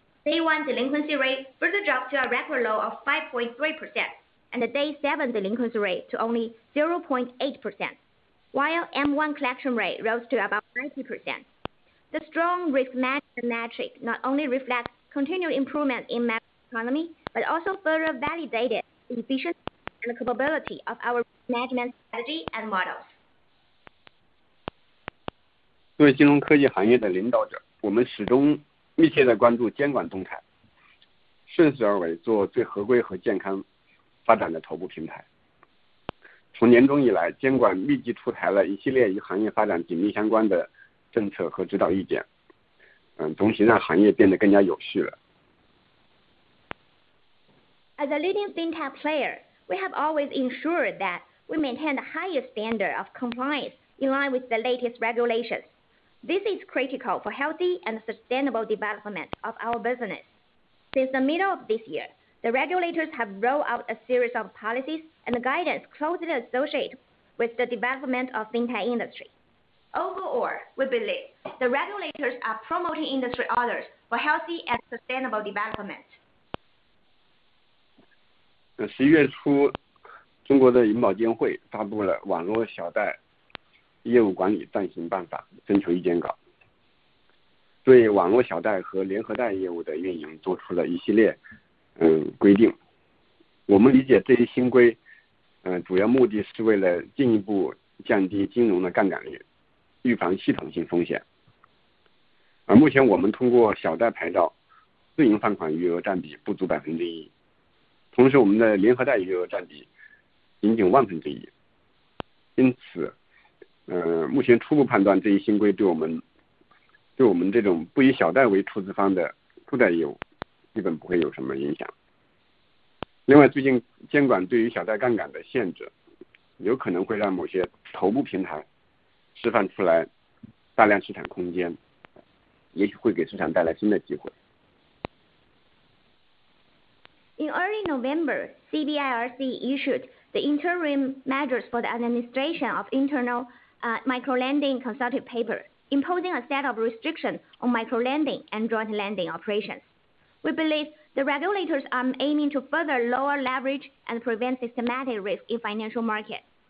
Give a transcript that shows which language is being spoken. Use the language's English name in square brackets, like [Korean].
[English] Day one delinquency rate further dropped to a record low of 5.3%, and the day seven delinquency rate to only 0.8%, while M1 collection rate rose to about 90%. The strong risk management metric not only reflects continued improvement in macro economy, but also further validated the efficiency and capability of our risk management strategy and models. [Chinese] 作为金融科技行业的领导者，我们始终密切地关注监管动态，顺势而为，做最合规和健康发展的头部平台。从年中以来，监管密集出台了一系列与行业发展紧密相关的政策和指导意见，总体让行业变得更加有序了。 [English] As a leading fintech player, we have always ensured that we maintain the highest standard of compliance in line with the latest regulations. This is critical for healthy and sustainable development of our business. Since the middle of this year, the regulators have rolled out a series of policies and guidance closely associated with the development of fintech industry. Overall, we believe the regulators are promoting industry orders for healthy and sustainable development. [Chinese] 11月初，中国的银保监会发布了《网络小贷业务管理暂行办法（征求意见稿）》，对网络小贷和联合贷业务的运营做出了一系列规定。我们理解这一新规，主要目的是为了进一步降低金融的杠杆率，预防系统性风险。而目前，我们通过小贷牌照，自营放款余额占比不足1%，同时我们的联合贷余额占比仅仅1%。因此，目前初步判断，这一新规对我们这种不以小贷为出资方的助贷业务，基本不会有什么影响。另外，最近监管对于小贷杠杆的限制，有可能会让某些头部平台释放出来大量市场空间，也许会给市场带来新的机会。 [English] In early November, CBIRC issued the interim measures for the administration of internal microlending consultative paper, imposing a set of restrictions on microlending and joint lending operations. We believe the regulators are aiming to further lower leverage and prevent systematic risk in financial markets.